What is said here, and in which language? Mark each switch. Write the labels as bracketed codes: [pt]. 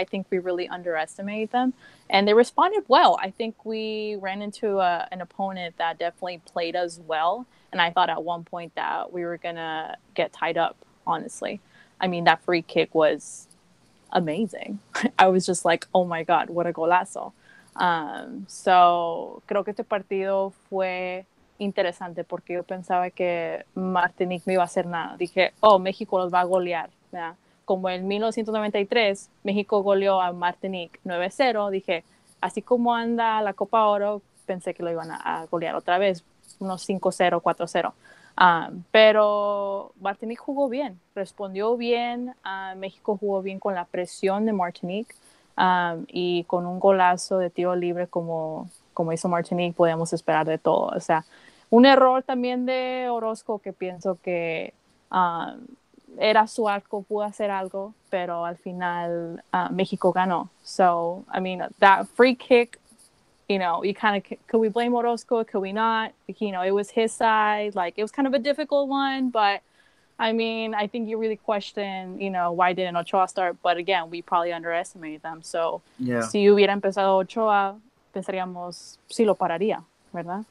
[en] I think we really underestimated them, and they responded well. I think we ran into an opponent that definitely played us well, and I thought at one point that we were going to get tied up, honestly. I mean, that free kick was amazing. I was just like, oh my God, what a golazo. [es] So creo que este partido fue interesante porque yo pensaba que Martinique no iba a hacer nada. Dije, oh, México los va a golear, ¿verdad? Como en 1993 México goleó a Martinique 9-0, dije, así como anda la Copa Oro, pensé que lo iban a golear otra vez, unos 5-0, 4-0. Pero Martinique jugó bien, respondió bien, México jugó bien con la presión de Martinique. Y con un golazo de tiro libre como hizo Martinique, podemos esperar de todo. O sea, un error también de Orozco, que pienso que era su arco, pudo hacer algo, pero al final México ganó. [en] So, I mean, that free kick, you know, you kind of, could we blame Orozco? Could we not? You know, it was his side. Like, it was kind of a difficult one, but I mean, I think you really question, you know, why didn't Ochoa start? But again, we probably underestimated them. So, yeah. [es] Si hubiera empezado Ochoa, pensaríamos si lo pararía, ¿verdad?